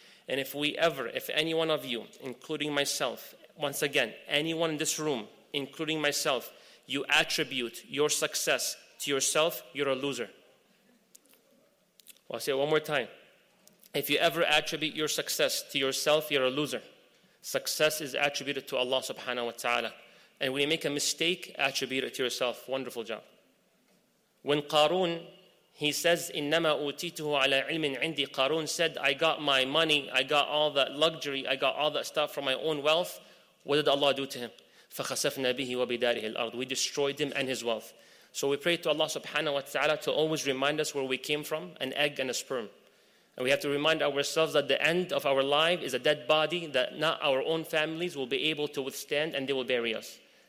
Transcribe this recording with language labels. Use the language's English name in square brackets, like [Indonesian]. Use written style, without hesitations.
[English] And if any one of you, including myself, once again, anyone in this room, including myself, you attribute your success to yourself, you're a loser. Well, I'll say it one more time. If you ever attribute your success to yourself, you're a loser. Success is attributed to Allah subhanahu wa ta'ala. And when you make a mistake, attribute it to yourself. Wonderful job. When Qarun, he says, [Arabic] إِنَّمَا أُوتِيتُهُ عَلَىٰ عِلْمٍ عِنْدِي. [English] Qarun said, I got my money, I got all that luxury, I got all that stuff from my own wealth. What did Allah do to him? [Arabic] فَخَسَفْنَا بِهِ وَبِدَارِهِ الْأَرْضِ. [English] We destroyed him and his wealth. So we pray to Allah subhanahu wa ta'ala to always remind us where we came from, an egg and a sperm. And we have to remind ourselves that the end of our life is a dead body that not our own families will be able to withstand, and they will bury us.